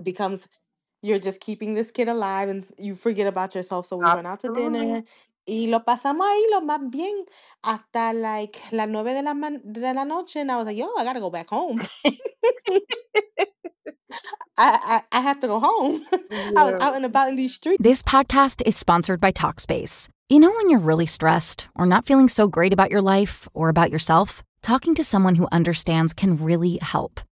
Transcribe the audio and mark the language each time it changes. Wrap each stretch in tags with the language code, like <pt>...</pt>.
<en>becomes you're just keeping this kid alive and you forget about yourself. So we went out to Absolutely. dinner,</en> <es>Y lo pasamos ahí lo más bien hasta</es> <en>like</en> <es>las 9 de la noche.</es> <en>And I was like, yo, I gotta go back home. I have to go home. I was out and about in these streets. This podcast is sponsored by Talkspace. You know when you're really stressed or not feeling so great about your life or about yourself? Talking to someone who understands can really help.</en>